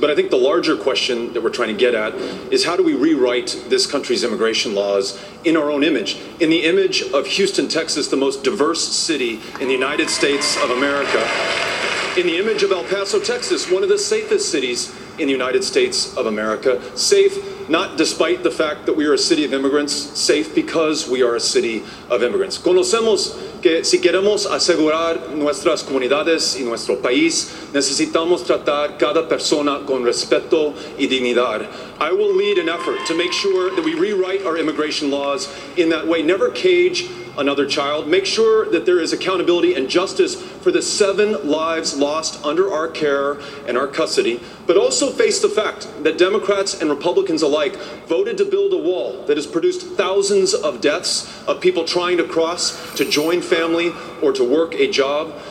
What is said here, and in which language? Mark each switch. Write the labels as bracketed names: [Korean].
[English] But I think the larger question that we're trying to get at is how do we rewrite this country's immigration laws in our own image, in the image of Houston, Texas, the most diverse city in the United States of America, in the image of El Paso, Texas, one of the safest cities in the United States of America, safe not despite the fact that we are a city of immigrants, safe because we are a city of immigrants. [Spanish] Conocemos que si queremos asegurar nuestras comunidades y nuestro país, necesitamos tratar cada persona con respeto y dignidad. [English] I will lead an effort to make sure that we rewrite our immigration laws in that way. Never cage another child. Make sure that there is accountability and justice for the 7 lives lost under our care and our custody. But also face the fact that Democrats and Republicans alike voted to build a wall that has produced thousands of deaths of people trying to cross to join family or to work a job.